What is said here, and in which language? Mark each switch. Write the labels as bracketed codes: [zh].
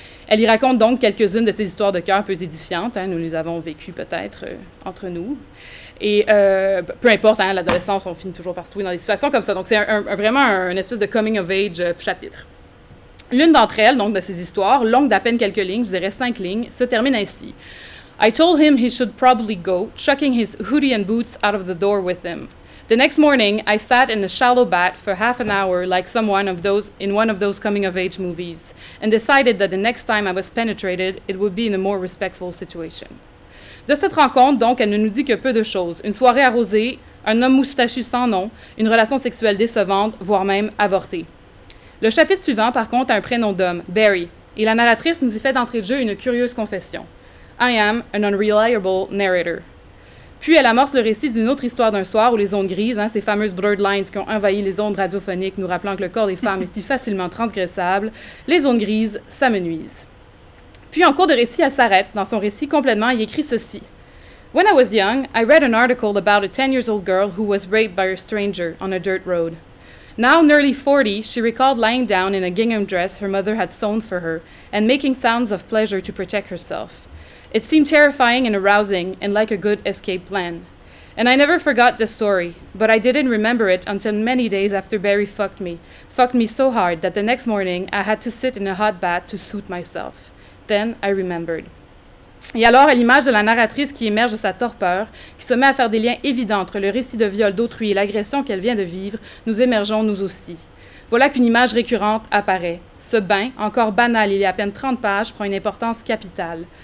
[fr] Elle y raconte donc quelques-unes de ses histoires de cœur peu édifiantes, hein, nous les avons vécues peut-être entre nous. Et peu importe, hein, l'adolescence, on finit toujours par se trouver dans des situations comme ça, donc c'est vraiment un espèce de « coming of age chapitre ». L'une d'entre elles, donc, de ces histoires, longue d'à peine quelques lignes, je dirais 5 lignes, se termine ainsi. [en] « I told him he should probably go, chucking his hoodie and boots out of the door with him. The next morning, I sat in a shallow bath for half an hour like someone of those in one of those coming-of-age movies and decided that the next time I was penetrated, it would be in a more respectful situation. » [fr] De cette rencontre, donc, elle ne nous dit que peu de choses. Une soirée arrosée, un homme moustachu sans nom, une relation sexuelle décevante, voire même avortée. Le chapitre suivant, par contre, a un prénom d'homme, Barry, et la narratrice nous y fait d'entrée de jeu une curieuse confession. « [en] I am an unreliable narrator. [fr] » Puis elle amorce le récit d'une autre histoire d'un soir où les ondes grises, hein, ces fameuses « blurred lines » qui ont envahi les ondes radiophoniques, nous rappelant que le corps des femmes est si facilement transgressable, les ondes grises s'amenuisent. Puis en cours de récit, elle s'arrête dans son récit complètement et écrit ceci. [en] « When I was young, I read an article about a 10-year-old girl who was raped by a stranger on a dirt road. » Now nearly 40, she recalled lying down in a gingham dress her mother had sewn for her and making sounds of pleasure to protect herself. It seemed terrifying and arousing and like a good escape plan. And I never forgot the story, but I didn't remember it until many days after Barry fucked me so hard that the next morning I had to sit in a hot bath to soothe myself. Then I remembered. [fr] Et alors, à l'image de la narratrice qui émerge de sa torpeur, qui se met à faire des liens évidents entre le récit de viol d'autrui et l'agression qu'elle vient de vivre, nous émergeons nous aussi. Voilà qu'une image récurrente apparaît. Ce bain, encore banal il y a à peine 30 pages, prend une importance capitale.